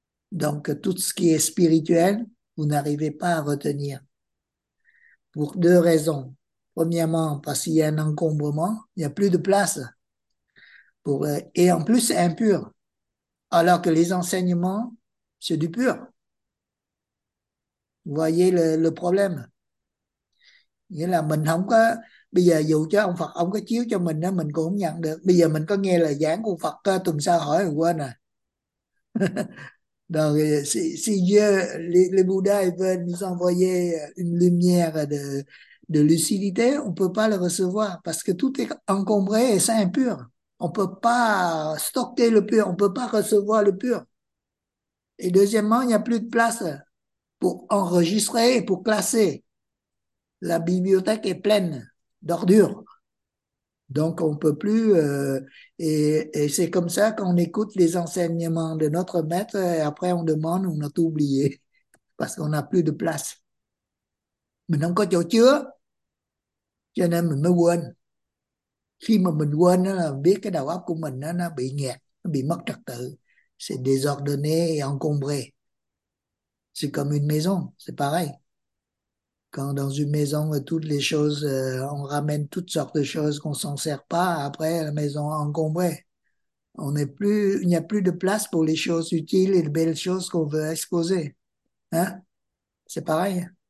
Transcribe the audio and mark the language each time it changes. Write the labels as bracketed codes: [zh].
[fr] Donc, tout ce qui est spirituel, vous n'arrivez pas à retenir. Pour deux raisons. Premièrement, parce qu'il y a un encombrement, il n'y a plus de place. Et en plus, c'est impur. Alors que les enseignements, c'est du pur. Vous voyez le problème. [vi] Nghĩa là mình không có, bây giờ dù cho ông Phật, ông có chiếu cho mình đó, mình cũng không nhận được. Bây giờ mình có nghe lời giảng của Phật tuần sau hỏi rồi quên à. [fr] Donc, si Dieu, les Bouddhas veulent nous envoyer une lumière de lucidité, on ne peut pas le recevoir parce que tout est encombré et c'est impur. On ne peut pas stocker le pur, on ne peut pas recevoir le pur. Et deuxièmement, il n'y a plus de place pour enregistrer et pour classer. La bibliothèque est pleine d'ordures. Donc, on ne peut plus. Et c'est comme ça qu'on écoute les enseignements de notre maître et après on demande, on a tout oublié parce qu'on n'a plus de place. [vi] Mình không có chỗ chứa cho nên mình mới quên. Khi mà mình quên đó là biết cái đầu óc của mình nó bị nghẹt, nó bị mất trật tự. [fr] C'est désordonné et encombré. C'est comme une maison, c'est pareil. Quand dans une maison, toutes les choses, on ramène toutes sortes de choses qu'on s'en sert pas, après la maison est encombrée. Il n'y a plus de place pour les choses utiles et les belles choses qu'on veut exposer. Hein? C'est pareil.